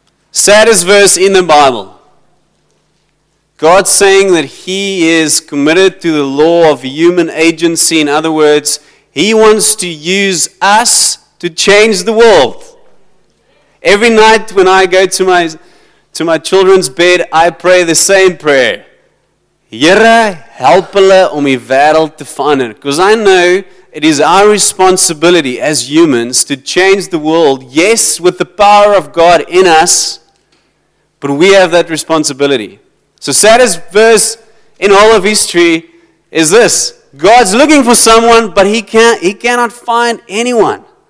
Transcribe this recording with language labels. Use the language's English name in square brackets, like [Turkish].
[English] Saddest verse in the Bible. God saying that he is committed to the law of human agency. In other words, he wants to use us to change the world. Every night when I go to my children's bed, I pray the same prayer. [Afrikaans] Here, help hulle om die wêreld te verander. [English] Because I know it is our responsibility as humans to change the world. Yes, with the power of God in us, but we have that responsibility. So saddest verse in all of history is this. God's looking for someone, but he cannot find anyone.